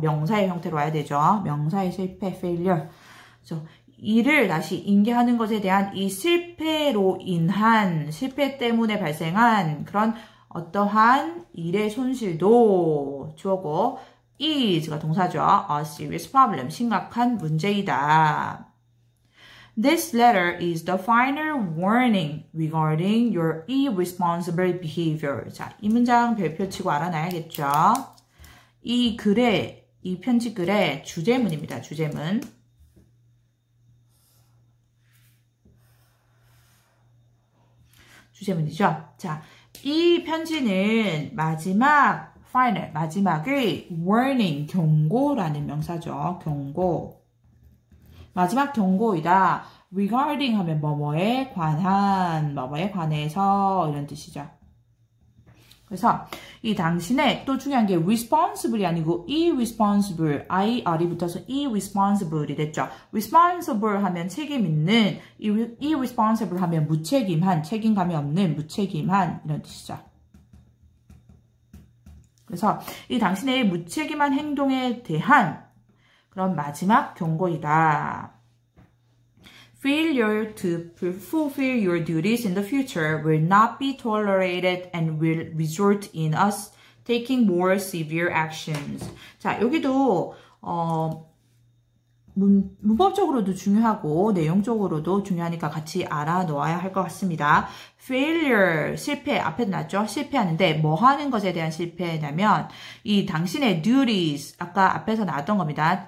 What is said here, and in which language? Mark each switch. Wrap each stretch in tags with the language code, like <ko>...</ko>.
<ko>명사의 형태로 와야 되죠. 명사의 실패 failure 그래서 일을 다시 인계하는 것에 대한 이 실패로 인한 실패 때문에 발생한 그런 어떠한 일의 손실도 주어고 is가 동사죠.</ko> <en>A serious problem. 심각한 문제이다. This letter is the final warning regarding your irresponsible behavior.</en> <ko>자, 이 문장 별표 치고 알아놔야겠죠. 이 글의, 이 편지 글의 주제문입니다. 주제문. 주제문이죠. 자, 이 편지는 마지막 final 마지막의 warning 경고라는 명사죠. 경고 마지막 경고이다. regarding 하면 뭐뭐에 관한 뭐뭐에 관해서 이런 뜻이죠. 그래서 이 당신의 또 중요한 게 responsible이 아니고 irresponsible IR이 붙어서 irresponsible이 됐죠. responsible 하면 책임 있는 irresponsible 하면 무책임한 책임감이 없는 무책임한 이런 뜻이죠. 그래서 이 당신의 무책임한 행동에 대한 그런 마지막 경고이다.</ko> <en>Failure to fulfill your duties in the future will not be tolerated and will result in us taking more severe actions.</en> <ko>자, 여기도 문법적으로도 중요하고 내용적으로도 중요하니까 같이 알아놓아야 할 것 같습니다. Failure, 실패, 앞에도 나왔죠? 실패하는데 뭐 하는 것에 대한 실패냐면 이 당신의 duties, 아까 앞에서 나왔던 겁니다.</ko>